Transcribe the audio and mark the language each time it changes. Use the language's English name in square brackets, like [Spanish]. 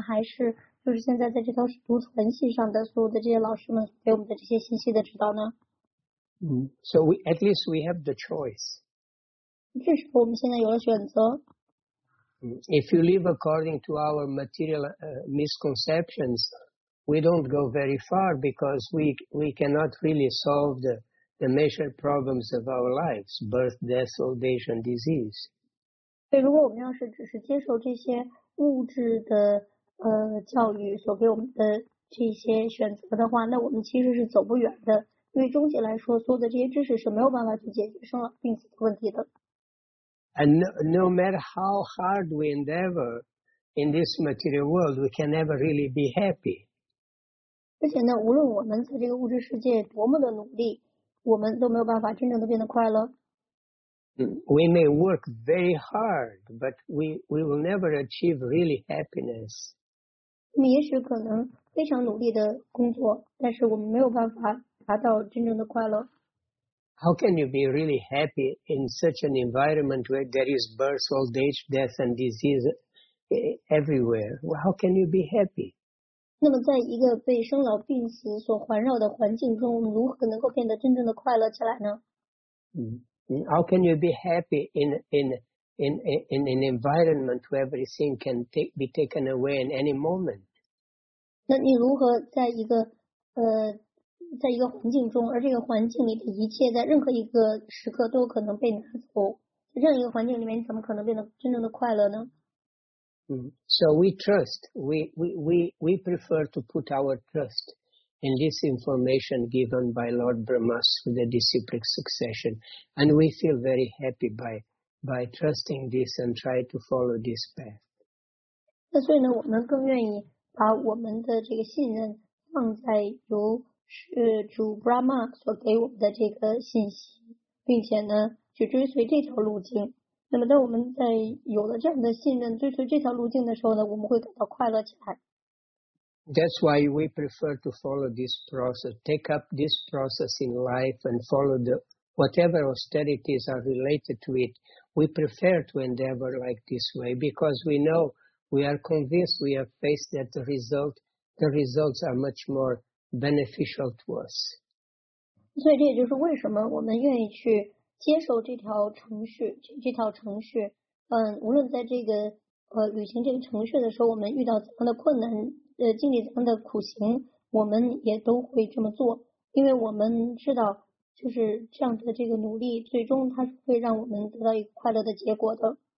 [Chinese] 还是就是现在在这条读传信上的所有的这些老师们给我们的这些信息的指导呢？ [English] So we at least we have the choice. [Chinese] 至少我们现在有了选择。 [English] If you live according to our material misconceptions, we don't go very far because we cannot really solve the major problems of our lives, birth, death, old age, and disease. [Chinese] 对，如果我们要是只是接受这些物质的教育所给我们的这些选择的话，那我们其实是走不远的，因为终极来说，所有的这些知识是没有办法去解决生老病死的问题的。 [English] And no matter how hard we endeavor in this material world, we can never really be happy. [Chinese] 而且呢，无论我们在这个物质世界多么的努力，我们都没有办法真正的变得快乐。 [English] We may work very hard, but we will never achieve really happiness. [Chinese] 我们也许可能非常努力的工作，但是我们没有办法达到真正的快乐。 [English] How can you be really happy in such an environment where there is birth, old age, death, and disease everywhere? How can you be happy? [Chinese] 那么在一个被生老病死所环绕的环境中，我们如何能够变得真正的快乐起来呢？ [English] How can you be happy in an environment where everything can be taken away in any moment? [Chinese] 那你如何在一个在一个环境中，而这个环境里的一切在任何一个时刻都可能被拿走，在这样一个环境里面，你怎么可能变得真正的快乐呢？ [English] So we trust, we prefer to put our trust in this information given by Lord Brahma through the disciplic succession, and we feel very happy by trusting this and try to follow this path. [Chinese] 那所以呢，我们更愿意把我们的这个信任放在由主 Brahma 所给我们的这个信息，并且呢去追随这条路径。那么当我们在有了这样的信任，追随这条路径的时候呢，我们会感到快乐起来。 [English] That's why we prefer to follow this process, take up this process in life and follow the whatever austerities are related to it. We prefer to endeavor like this way because we know, we are convinced, we have faced that the results are much more beneficial to us. [Chinese] 所以这也就是为什么我们愿意去接受这条程序。无论在这个履行这个程序的时候，我们遇到怎样的困难，经历怎样的苦行，我们也都会这么做，因为我们知道就是这样的这个努力，最终它是会让我们得到一个快乐的结果的。